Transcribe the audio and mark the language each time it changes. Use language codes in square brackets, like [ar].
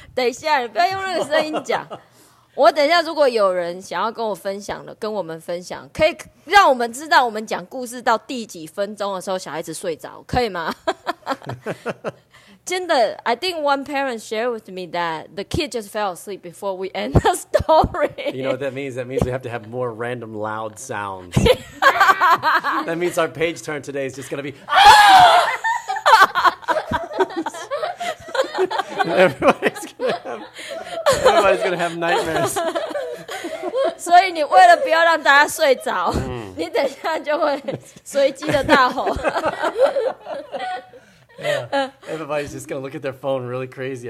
[zh] 等一下，你不要用那个声音讲。我等一下，如果有人想要跟我分享的，跟我们分享，可以让我们知道我们讲故事到第几分钟的时候，小孩子睡着，可以吗？真的 [en] ，I think one parent shared with me that the kid just fell asleep before we end the story. You know what that means? That means we have to have more random loud sounds. That means our page turn today is just going to be. Everybody's gonna have nightmares. [zh] 所以你为了不要让大家睡着，你等一下就会随机的大吼。 [en] Yeah, everybody's just gonna look at their phone really crazy.